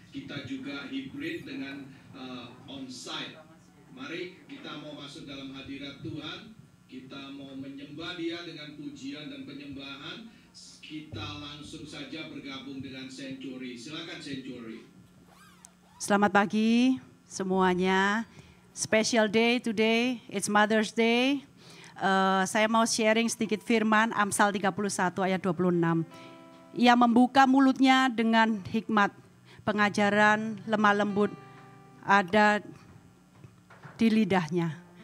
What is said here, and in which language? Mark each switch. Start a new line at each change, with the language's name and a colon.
Indonesian: Kita juga hybrid dengan onsite. Mari kita mau masuk dalam hadirat Tuhan. Kita mau menyembah Dia dengan pujian dan penyembahan. Kita langsung saja bergabung dengan Century. Silakan Century. Selamat pagi semuanya.
English: Special day today, it's Mother's Day.
Indonesian: Saya mau sharing sedikit firman Amsal 31 ayat 26. Ia membuka mulutnya dengan hikmat, pengajaran lemah lembut ada di lidahnya.